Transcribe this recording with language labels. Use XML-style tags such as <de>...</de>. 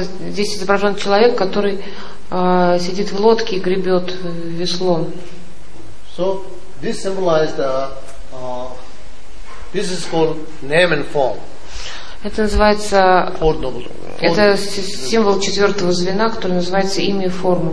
<ru>Здесь изображен человек, который сидит в лодке и гребет веслом.</ru> <en>So this symbolizes the this is called name and form.</en> <ru>Это называется это символ четвертого звена, который называется имя и форма.</ru>